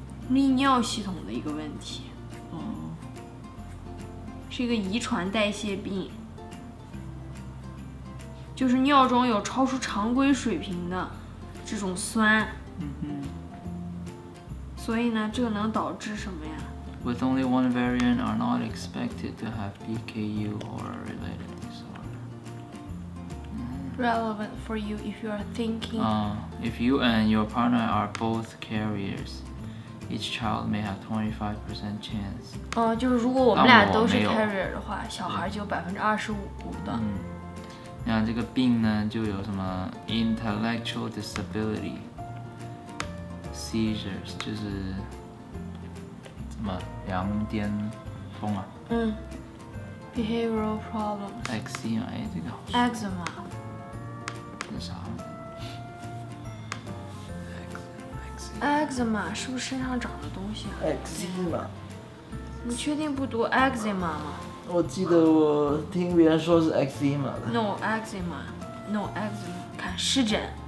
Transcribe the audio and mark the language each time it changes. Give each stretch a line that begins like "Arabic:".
Chinese: 泌尿系统的一个问题，是一个遗传代谢病，就是尿中有超出常规水平的这种酸。嗯哼，所以呢，这个能导致什么呀？
English: With only one variant are not expected to have PKU or a related disorder. Relevant for you if you are thinking. If you and your partner are both carriers, each child may have 25% chance.
Chinese: 就是如果我们俩都是 carrier 的话，小孩就有25%的。嗯，那这个病呢，就有什么 intellectual disability。 Seizures 就是怎么羊癫疯啊？
English: 嗯 ，behavioral problems。
Chinese: Eczema， 哎，这个好。
English: Eczema，
Chinese: 这啥？Eczema 是不是身上长的东西啊
English: ？Eczema，
Chinese: 你确定不读 eczema 吗？我记得我听别人说是 eczema 的。
English: No eczema，
Chinese: 看湿疹。